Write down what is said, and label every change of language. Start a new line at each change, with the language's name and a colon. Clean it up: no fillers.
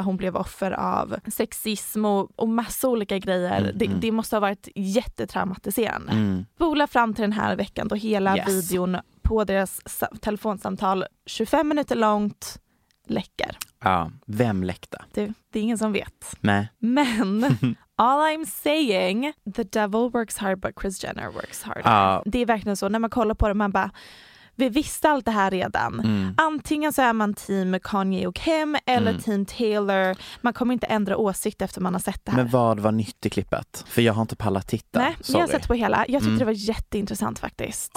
Swedish: Hon blev offer av sexism och massa olika grejer. Mm, det måste ha varit jättetraumatiserande. Mm. Bola fram till den här veckan då hela videon på deras telefonsamtal 25 minuter långt läcker. Ja, vem läckte? Det är ingen som vet. Nej.
English: Men all I'm saying, the devil works hard but Kris Jenner works harder.
Swedish: Ja. Det är verkligen så. När man kollar på det man bara... Vi visste allt det här redan. Mm. Antingen så är man team Kanye och Kim eller team Taylor. Man kommer inte ändra åsikt efter man har sett det här. Men vad var nytt i klippet? För jag har inte pallat titta. Nej, sorry. Jag har sett på hela. Jag tyckte det var jätteintressant faktiskt.